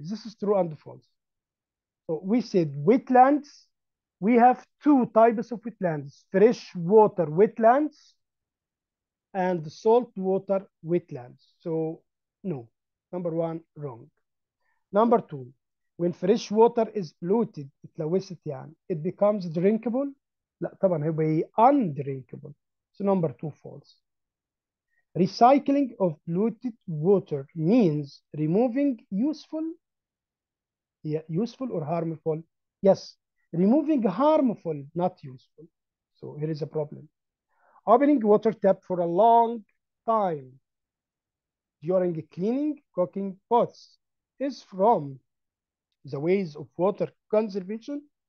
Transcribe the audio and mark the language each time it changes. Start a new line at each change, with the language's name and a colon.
English: This is true and false. So we said wetlands, we have two types of wetlands, fresh water wetlands. And the salt water wetlands. So, no. Number one, wrong. Number two, when fresh water is polluted, it becomes drinkable.
Arabic: لا طبعا هي undrinkable.
English: So, number two, false. Recycling of polluted water means removing useful or harmful. Yes, Removing harmful, not useful. So here is a problem. Opening water tap for a long time during cleaning cooking pots is from the ways of water conservation.